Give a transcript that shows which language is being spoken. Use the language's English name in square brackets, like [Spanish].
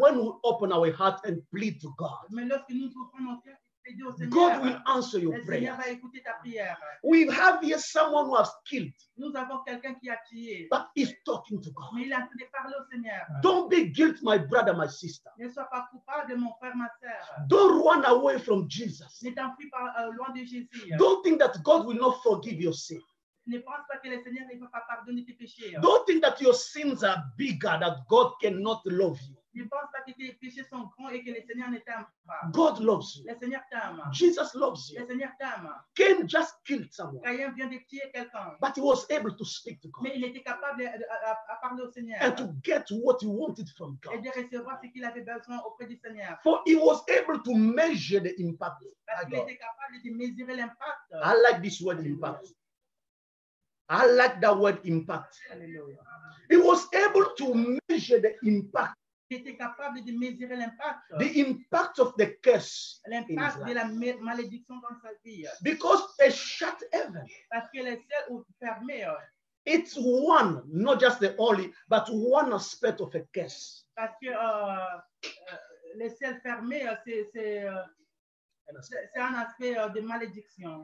[English] when we open our heart and plead to God, [French] mais lorsque nous ouvrons notre cœur et plaidons au Seigneur, [English] God will answer your prayer. [French] Le Seigneur va écouter ta prière. [English] We have here someone who has killed. [French] Nous avons quelqu'un qui a tué. [English] But he's talking to God. [French] Mais il est en train de parler au Seigneur. [English] Don't be guilty, my brother, my sister. [French] Ne sois pas coupable, mon frère, ma sœur. [English] Don't run away from Jesus. [French] Ne t'enfuis pas loin de Jésus. [English] Don't think that God will not forgive your sin. [French] Ne pense pas que le Seigneur ne va pas pardonner tes péchés. [English] Don't think that your sins are bigger, that God cannot love you. [French] Ne pense pas que tes péchés sont grands et que le Seigneur ne t'aime pas. [English] God loves you. [French] Le Seigneur t'aime. [English] Jesus loves you. [French] Le Seigneur t'aime. [English] Cain just killed someone. [French] Caïn vient de tuer quelqu'un. [English] But he was able to speak to God. [French] Mais il était capable de parler au Seigneur. [English] And to get what he wanted from God. [French] Et de recevoir ce qu'il avait besoin auprès du Seigneur. [English] For he was able to measure the impact. [French] Parce qu'il était capable de mesurer l'impact. [English] I like this word impact. I like that word impact. Hallelujah. He was able to measure the impact. [French] Il était capable de mesurer l'impact. [English] The impact of the curse. [French] L'impact de la malédiction dans sa vie. [English] Because a shut heaven. [French] Parce que les cieux ont fermé. [English] It's one, not just the only, but one aspect of a curse. [French] Parce que les cieux fermés, c'est un aspect de malédiction.